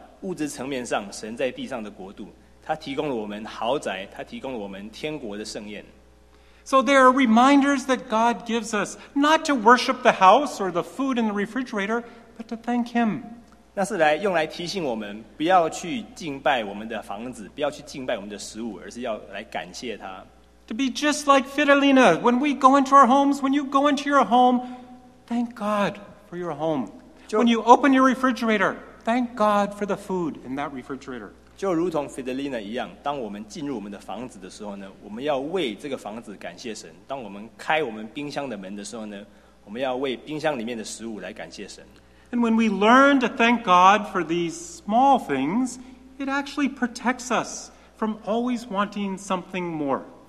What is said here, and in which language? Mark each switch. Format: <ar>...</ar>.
<zh>这就提醒我们，我们现在已经经历到物质层面上神在地上的国度， 祂提供了我们豪宅， 祂提供了我们天国的盛宴。</zh> <en>So there are reminders that God gives us not to worship the house or the food in the refrigerator, but to thank Him.</en> <zh>那是来用来提醒我们， 不要去敬拜我们的房子， 不要去敬拜我们的食物， 而是要来感谢祂。</zh> <en>To be just like Fidelina, when we go into our homes, when you go into your home, thank God for your home. When you open your refrigerator, thank God for the food in that refrigerator.</en> <zh>就如同Fidelina一样, 当我们进入我们的房子的时候呢, 我们要为这个房子感谢神。当我们开我们冰箱的门的时候呢, 我们要为冰箱里面的食物来感谢神。</zh> <en>And when we learn to thank God for these small things, it actually protects us from always wanting something more.</en>